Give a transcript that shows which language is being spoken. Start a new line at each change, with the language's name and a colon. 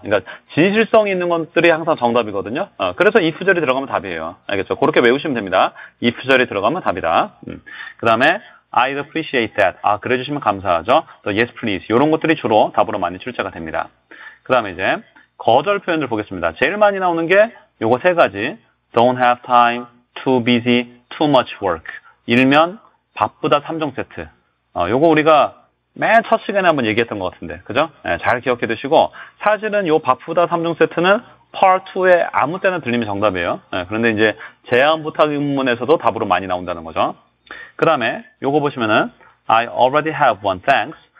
Korean: 그러니까 진실성이 있는 것들이 항상 정답이거든요. 그래서 if절이 들어가면 답이에요. 알겠죠? 그렇게 외우시면 됩니다. if절이 들어가면 답이다. 그 다음에
English: I'd appreciate that.
Korean: 아, 그래 주시면 감사하죠.
English: 또 yes, please.
Korean: 요런 것들이 주로 답으로 많이 출제가 됩니다. 그 다음에 이제 거절 표현들 보겠습니다. 제일 많이 나오는 게 요거 세 가지.
English: Don't have time, too busy, too much work.
Korean: 일면 바쁘다 3종 세트. 요거 우리가 맨 첫 시간에 한번 얘기했던 것 같은데. 그죠? 네, 잘 기억해 두시고 사실은 요 바쁘다 3종 세트는 part 2에 아무 때나 들리면 정답이에요. 네, 그런데 이제 제안 부탁 의문에서도 답으로 많이 나온다는 거죠. 그 다음에 요거 보시면은
English: I already have one, thanks.